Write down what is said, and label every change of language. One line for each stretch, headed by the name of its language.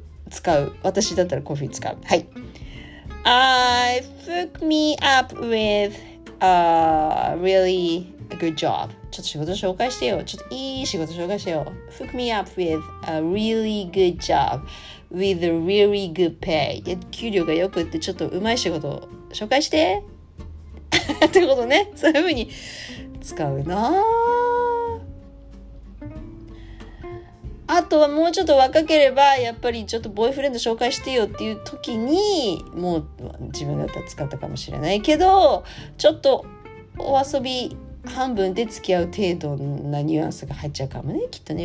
Japanese: 使う私だったらコーヒー使う。
English: はい、 I hook me up with a really good job、
Japanese: ちょっと仕事紹介してよ。ちょっといい仕事紹介してよ。
English: Hook me up with a really good job with a really good pay。
Japanese: 給料が良くってちょっと上手い仕事を紹介してってことね。そういう風に使うな。あとはもうちょっと若ければやっぱりちょっとボーイフレンド紹介してよっていう時に、もう自分だったら使ったかもしれないけど、ちょっとお遊び半分で付き合う程度なニュアンスが入っちゃうかもね、きっとね。